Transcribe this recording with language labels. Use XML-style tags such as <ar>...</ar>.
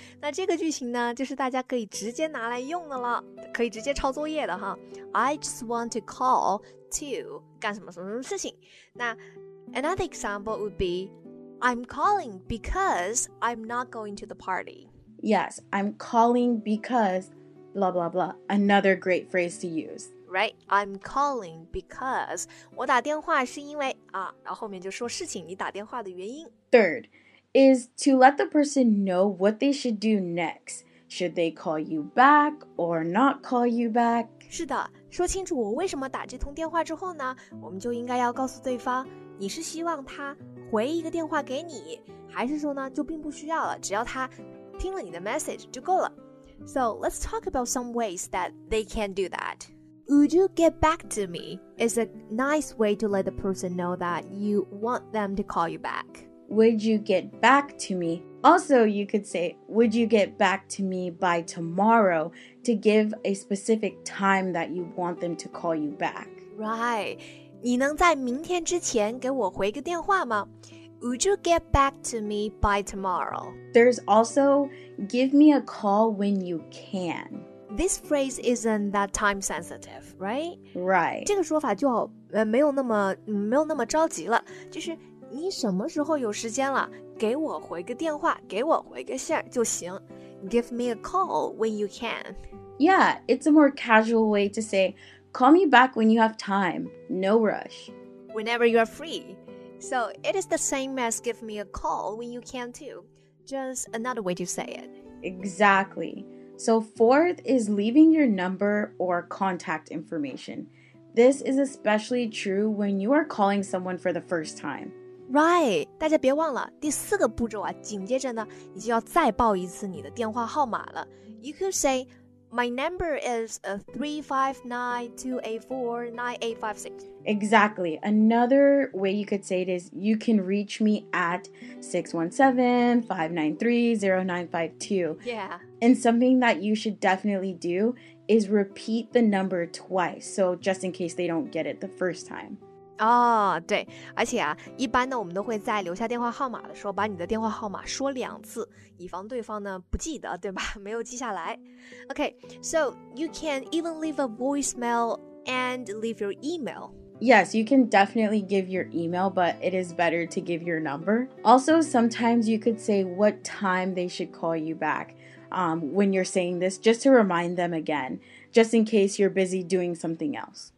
<zh>那这个句型呢，就是大家可以直接拿来用的了，可以直接抄作业的哈。</zh> <en>I just want to call to</en> <zh>干什么什么什么事情。那</zh> <en>another example would be, I'm calling because I'm not going to the party. Yes, I'm calling because blah blah blah. Another great phrase to use. Right, I'm calling because</en> <zh>我打电话是因为啊，然后后面就说事情你打电话的原因。</zh> <en>Third, is to let the person know what they should do next. Should they call you back or not call you back?</en> <zh>是的，说清楚我为什么打这通电话之后呢，我们就应该要告诉对方，你是希望他回一个电话给你，还是说呢就并不需要了，只要他。听了你的 message 就够了。</zh> <en>So let's talk about some ways that they can do that. Would you get back to me? Is a nice way to let the person know that you want them to call you back. Would you get back to me? Also, you could say, Would you get back to me by tomorrow? To give a specific time that you want them to call you back. Right.</en> <zh>你能在明天之前给我回个电话吗？</zh> <en>Would you get back to me by tomorrow? There's also, give me a call when you can. This phrase isn't that time sensitive, right? Right.</en> <zh>这个说法就好，没有那么着急了。就是你什么时候有时间了，给我回个电话，给我回个信儿就行。</zh> <en>Give me a call when you can. Yeah, it's a more casual way to say, call me back when you have time. No rush. Whenever you're free. So, it is the same as give me a call when you can too. Just another way to say it. Exactly. So, fourth is leaving your number or contact information. This is especially true when you are calling someone for the first time. Right.</en> <zh>大家别忘了，第四个步骤啊，紧接着呢，你就要再报一次你的电话号码了。</zh> <en>You could say, my number is 359-284-9856. Exactly. Another way you could say it is you can reach me at 617-593-0952. Yeah. And something that you should definitely do is repeat the number twice. So just in case they don't get it the first time.</en> <zh>哦，对，而且啊，一般呢，我们都会在留下电话号码的时候，把你的电话号码说两次，以防对方呢不记得，对吧？没有记下来。</zh> <en>Okay, so you can even leave a voicemail and leave your email. Yes, you can definitely give your email, but it is better to give your number. Also, sometimes you could say what time they should call you back, when you're saying this, just to remind them again, just in case you're busy doing something else.</en>